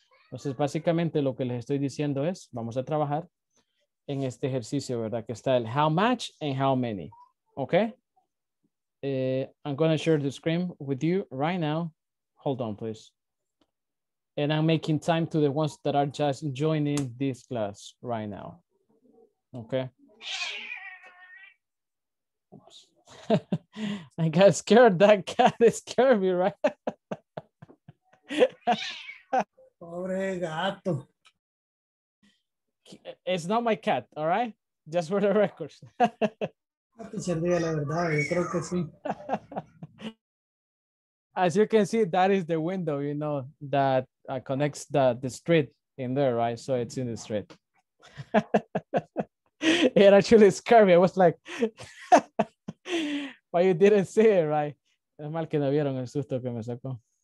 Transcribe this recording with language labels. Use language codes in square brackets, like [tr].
[es] Entonces, básicamente lo que les estoy diciendo es, vamos a trabajar en este ejercicio, ¿verdad? Que está el [en] how much and how many, ¿ok? I'm going to share the screen with you right now. Hold on, please. And I'm making time to the ones that are just joining this class right now, ¿ok? I got scared. That cat scared me, right? [es] Pobre gato. [en] It's not my cat, all right? Just for the record. As you can see, that is the window, you know, that connects the street in there, right? So it's in the street. It actually scared me. I was like, but you didn't see it, right? [es] Es mal que no vieron el susto que me sacó.